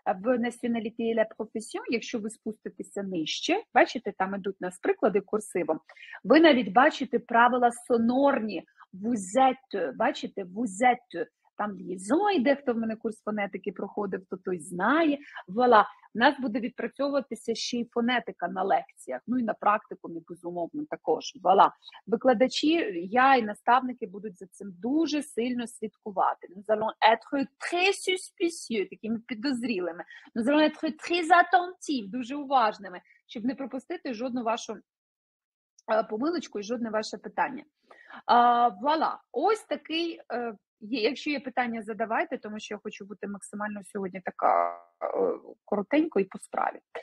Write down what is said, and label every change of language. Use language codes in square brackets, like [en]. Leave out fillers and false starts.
[uk] В «nationalité et la profession», якщо ви спуститеся нижче, бачите, там йдуть у нас приклади курсивом, ви навіть бачите правила сонорні, «vous êtes», бачите, «vous êtes», там «liaison» йде, хто в мене курс фонетики проходив, то той знає, voilà. У нас буде відпрацьовуватися ще й фонетика на лекціях, ну і на практикумі, безумовно, також, voilà. Викладачі, я і наставники будуть за цим дуже сильно слідкувати. [fr] Nous allons être très suspicieux, [uk] такими підозрілими. [fr] Nous allons être très attentifs, [uk] дуже уважними, щоб не пропустити жодну вашу помилочку і жодне ваше питання. [fr] Voilà. [uk] Ось такий, якщо є питання, задавайте, тому що я хочу бути максимально сьогодні така коротенько і по справі.